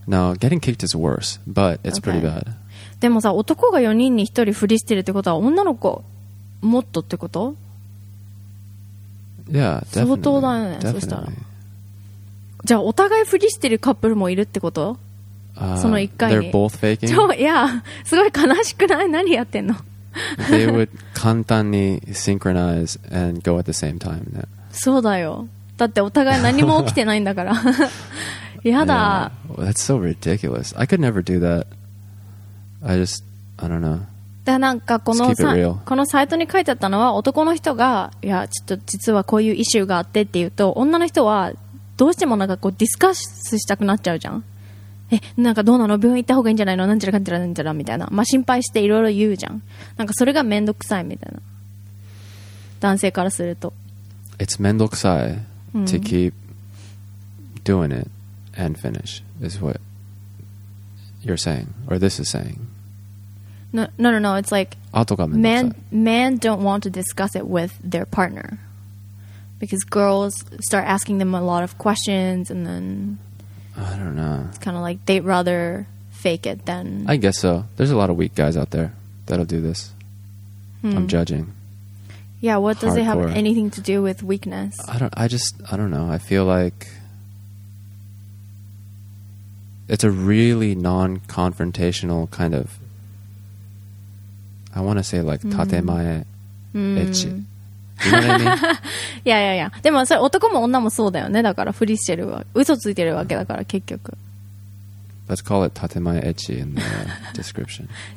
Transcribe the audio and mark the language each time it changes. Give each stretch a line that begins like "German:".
English: No, getting kicked is worse, but it's okay. pretty bad.
Japanese: でもさ、男が4人に1人振りしてるってことは女の子もっとってこと?
English: Yeah, definitely.
Japanese: 相当だよね、
English: definitely.
Japanese: そしたら。じゃあお互い振りしてるカップルもいるってこと? その1回に。
English: They're both faking?
Japanese: いや、すごい悲しくない? 何やってんの?
English: They would
Japanese: 簡単に
English: synchronize and go at the same time. Then.
Japanese: そうだよ。だってお互い何も起きてないんだから。やだ。
English: Yeah. Well, that's so ridiculous. I could never do that. I just, I don't know.
Japanese: なんかこのサイトに書いてあったのは男の人がいやちょっと実はこういうイシューがあってって言うと女の人はどうしてもなんかこうディスカッスしたくなっちゃうじゃんえなんかどうなの病院行った方がいいんじゃないのなんちゃらかんちゃらなんちゃらみたいな、まあ、心配していろいろ言うじゃんなんかそれがめんどくさいみたいな男性からすると
English: It's
Japanese: めんどくさい
English: to keep doing it and finish is what you're saying or this is saying No, it's like men don't want to discuss it with their partner because girls start asking them a lot of questions and then I don't know it's kind of like they'd rather fake it than I guess so there's a lot of weak guys out there that'll do this I'm judging yeah what does it have anything to do with weakness I don't know I feel like it's a really non-confrontational kind ofI want to say like 建前 etch. You know what I mean? yeah, yeah, yeah.
Japanese: でもそれ男も女もそうだよね。だから振りしてるわ、嘘ついてるわけだから結局。
English: Let's call it 建前 etch in the description.